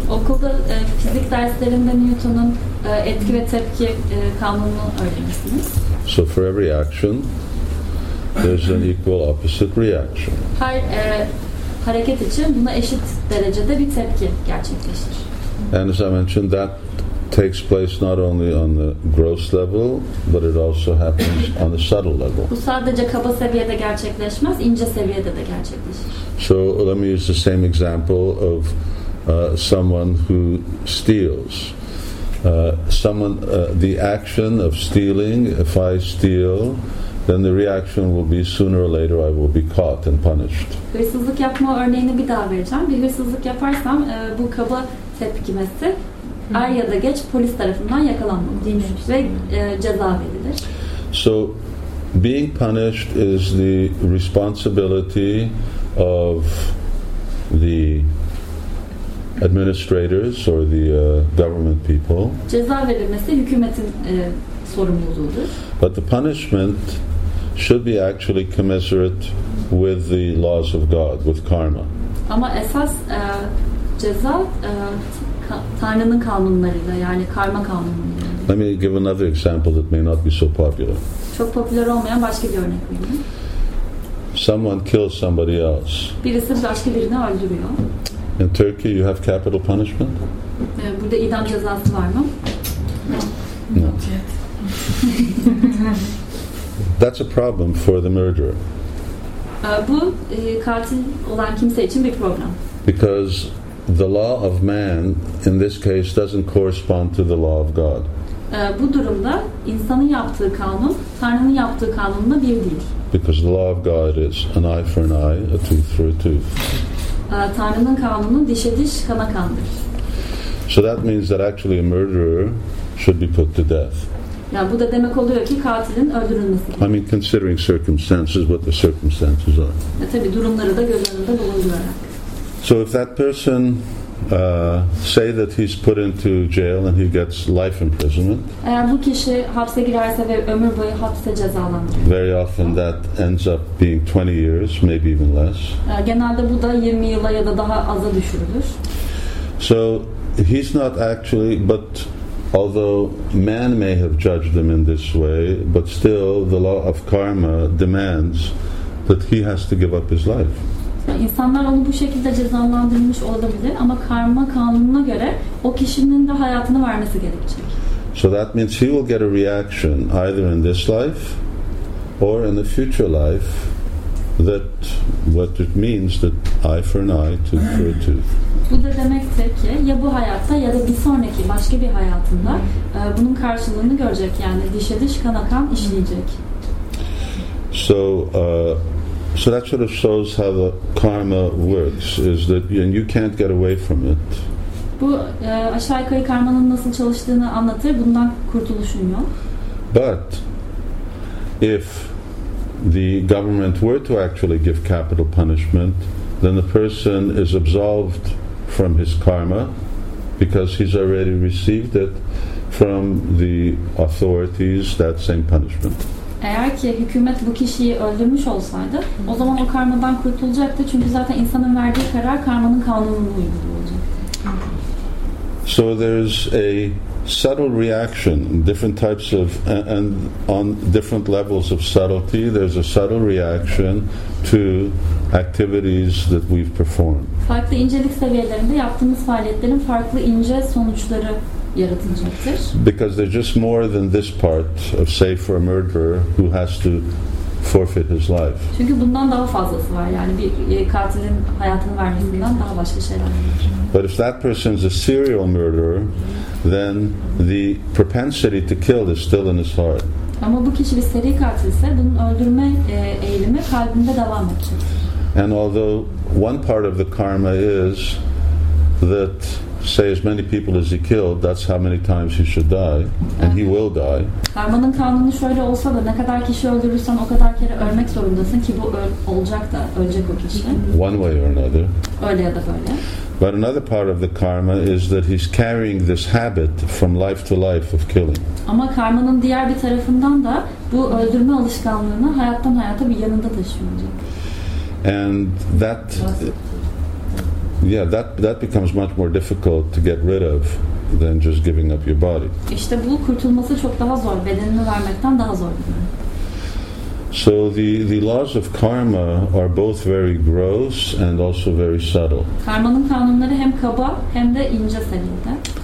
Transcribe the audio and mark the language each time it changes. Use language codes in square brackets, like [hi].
[tr] Okulda fizik derslerinde Newton'un etki ve tepki kanununu öğrenirsiniz. [en] So for every action, there's an equal opposite reaction. [tr] Her hareket için buna eşit derecede bir tepki gerçekleşir. [en] And as I mentioned, that takes place not only on the gross level, but it also happens on the subtle level. [tr] Bu sadece kaba seviyede gerçekleşmez, ince seviyede de gerçekleşir. [en] So let me use the same example of someone who steals. The action of stealing, if I steal, then the reaction will be sooner or later I will be caught and punished. [tr] Hırsızlık yapma örneğini bir daha vereceğim. Bir hırsızlık yaparsam bu kaba tepkimesi er ya da geç polis tarafından yakalanmalıdır ve ceza verilir. [en] So being punished is the responsibility of the administrators or the government people. [tr] Ceza verilmesi hükümetin sorumluluğudur. [en] But the punishment should be actually commensurate with the laws of God, with karma. [tr] Ama esas ceza Tanrı'nın kanunlarıyla, yani karma kanunlarıyla. [en] Let me give another example that may not be so popular. [tr] Çok popüler olmayan başka bir örnek vereyim. [en] Someone kills somebody else. [tr] Birisi başka birini öldürüyor. [en] In Turkey you have capital punishment? [tr] Burada idam cezası var mı? [en] No. That's a problem for the murderer. [tr] Bu katil olan kimse için bir problem. [en] Because the law of man in this case doesn't correspond to the law of God. [tr] Bu durumda insanın yaptığı kanun Tanrı'nın yaptığı kanunla bir değil. [en] Because the law of God is an eye for an eye, a tooth for a tooth. [tr] Tanrı'nın kanunu dişe diş, kana kandır. [en] So that means that actually a murderer should be put to death. [tr] Yani bu da demek oluyor ki katilin öldürülmesi gerekiyor. [en] I mean considering circumstances, what the circumstances are. [tr] Tabii durumları da göz önünde bulundurarak. [en] So if that person say that he's put into jail and he gets life imprisonment. [tr] Eğer bu kişi hapse girerse ve ömür boyu hapse cezalandırılır. [en] Very often that ends up being 20 years, maybe even less. [tr] Genelde bu da 20 yıla ya da daha aza düşürülür. [en] So he's not actually, but although man may have judged them in this way, but still the law of karma demands that he has to give up his life. [tr] İnsanlar onu bu şekilde cezalandırmış olabilir ama karma kanununa göre o kişinin de hayatını vermesi gerekecek. [en] So that means he will get a reaction either in this life or in the future life that what it means that eye for an eye, tooth for a tooth. [tr] Bu da demektir ki ya bu hayatta ya da bir sonraki başka bir hayatında bunun karşılığını görecek, yani dişe diş, kana kan işleyecek. [en] So that sort of shows how the karma works, is that you can't get away from it. [tr] Bu aşağı yukarı karmanın nasıl çalıştığını anlatır, bundan kurtuluşun yok. [en] But if the government were to actually give capital punishment, then the person is absolved from his karma, because he's already received it from the authorities, that same punishment. [tr] Eğer ki hükümet bu kişiyi öldürmüş olsaydı, o zaman o karmadan kurtulacaktı. Çünkü zaten insanın verdiği karar karmanın kanununa uygun olacaktı. [en] So there's a subtle reaction, different types of, and on different levels of subtlety, there's a subtle reaction to activities that we've performed. [tr] Farklı incelik seviyelerinde yaptığımız faaliyetlerin farklı ince sonuçları yaratılacaktır. [en] Because they're just more than this part of, say, for a murderer who has to forfeit his life. [tr] Çünkü bundan daha fazlası var. Yani bir katilin hayatını vermesinden daha başka şeyler var. [en] But if that person is a serial murderer, then the propensity to kill is still in his heart. [tr] Ama bu kişi bir seri katilse, bunun öldürme eğilimi kalbinde devam edecek. [en] And although one part of the karma is that, say, as many people as he killed, that's how many times he should die, and he will die. [tr] Karmanın kanunu şöyle olsa da, ne kadar kişi öldürürsen o kadar kere ölmek zorundasın ki bu olacak da, ölecek o kişi. [en] One way or another. [tr] Öyle ya da böyle. [en] But another part of the karma is that he's carrying this habit from life to life of killing. [tr] Ama karmanın diğer bir tarafından da bu öldürme alışkanlığını hayattan hayata bir yanında taşıyacak. [en] And that... Yeah, that becomes much more difficult to get rid of than just giving up your body. [tr] İşte bu kurtulması çok daha zor, bedenini vermekten daha zor. [en] So the laws of karma are both very gross and also very subtle. [tr] Karmanın kanunları hem kaba hem de ince seviyede.